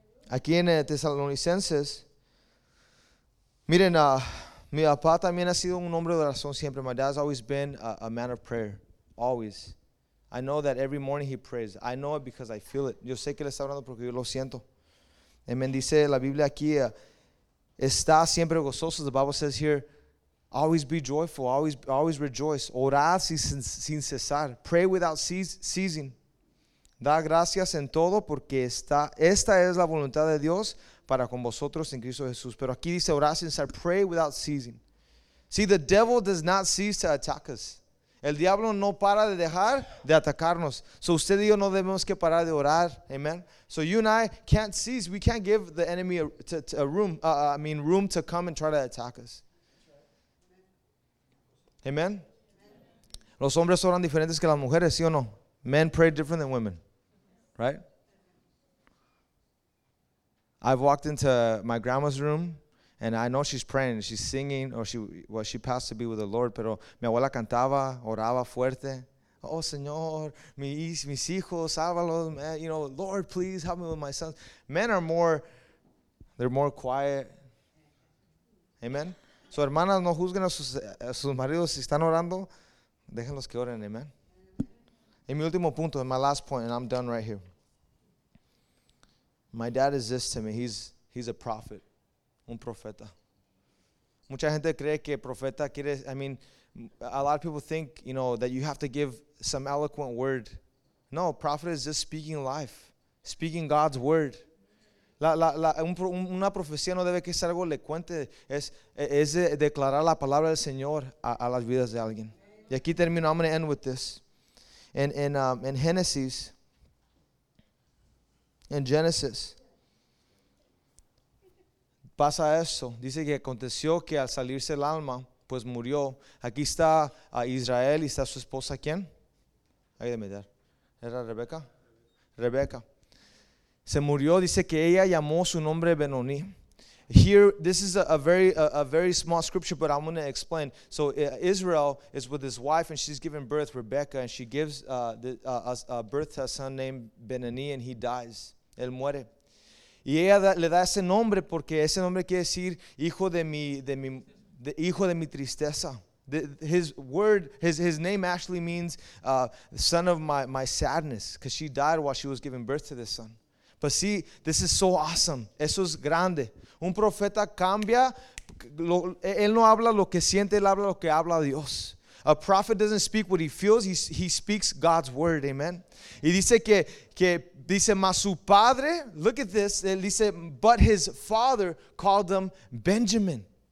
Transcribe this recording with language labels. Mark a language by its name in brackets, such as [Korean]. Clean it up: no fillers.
[Spanish] Aquí en Tesalonicenses, miren, mi papá también ha sido un hombre de oración siempre. [English] My dad's always been a man of prayer, always. I know that every morning he prays. I know it because I feel it. [Spanish] Yo sé que le está hablando porque yo lo siento. Amen. Dice la Biblia aquí, está siempre gozoso. [English] The Bible says here, always be joyful, always rejoice. [Spanish] Orar sin cesar. [English] Pray without ceasing. [Spanish] Da gracias en todo porque esta es la voluntad de Dios para con vosotros en Cristo Jesús. Pero aquí dice orar sin cesar. [English] Pray without ceasing. See, the devil does not cease to attack us. [Spanish] El diablo no para de dejar de atacarnos. So usted y yo no debemos que parar de orar. [English] Amen. So you and I can't cease. We can't give the enemy room to come and try to attack us. Amen. [Spanish] Los hombres oran diferentes que las mujeres, ¿sí o no? [English] Men pray different than women. Right? I've walked into my grandma's room and I know she's praying, she's singing, or she passed to be with the Lord, [Spanish] pero mi abuela cantaba, oraba fuerte. Oh, Señor, mis hijos, sálvalos, man. [English] You know, Lord, please help me with my sons. Men are more quiet. Amen. [Spanish] So, hermanas, no juzguen a sus maridos si están orando. Déjenlos que oren, amen. En mi último punto, [English] my last point, and I'm done right here. My dad is this to me. He's a prophet. [Spanish] Un profeta. Mucha gente cree que profeta quiere, [English] I mean, a lot of people think, you know, that you have to give some eloquent word. No, prophet is just speaking life, speaking God's word. [Spanish] Una profecía no debe que sea algo elocuente, es declarar la palabra del Señor a las vidas de alguien. Y aquí termino, [English] I'm going to end with this. In Genesis, [Spanish] pasa eso, dice que aconteció que al salirse el alma, pues murió. Aquí está a Israel y está su esposa, ¿quién? Ahí de mediar. ¿Era Rebeca? Rebeca. Se murió, dice que ella llamó su nombre Benoni. [English] Here, this is a very small scripture, but I'm going to explain. So Israel is with his wife, and she's giving birth, Rebeca, and she gives birth to a son named Benoni, and he dies. [Spanish] Él muere. Y ella le da ese nombre porque ese nombre quiere decir hijo de mi tristeza. [English] His name actually means son of my sadness, because she died while she was giving birth to this son. But see, this is so awesome. [Spanish] Eso es grande. Un profeta cambia. Él no habla lo que siente, él habla lo que habla Dios. [English] A prophet doesn't speak what he feels. He speaks God's word. Amen. [Spanish] Y dice que dice, mas su padre, [English] look at this, [Spanish] él dice, [English] but his father called them Benjamin.